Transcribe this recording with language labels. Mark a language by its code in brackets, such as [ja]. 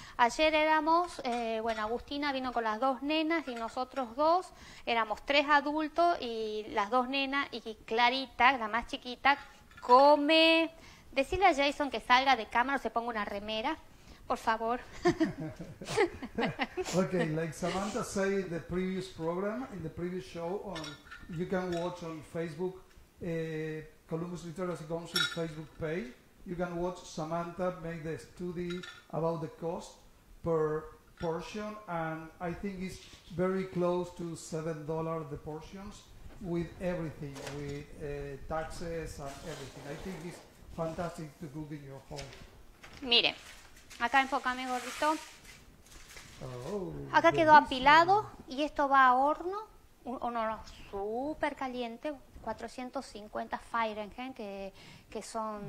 [es] Ayer éramos, Agustina vino con las 2 nenas y nosotros 2, éramos 3 adultos y las 2 nenas y Clarita, la más chiquita, come. Decirle a Jason que salga de cámara o se ponga una remera, por favor. [en] Okay, like Samantha said in the previous program, in the previous show, you can watch on Facebook, Columbus Literacy Council Facebook page. You can watch Samantha make the study about the cost per portion, and I think it's very close to $7 the portions with everything, with taxes and everything. I think it's fantastic to cook in your home. [es] Mire, acá enfócame, gordito. Oh, acá quedó apilado y esto va a horno, un horno súper caliente, 450 Fahrenheit, que son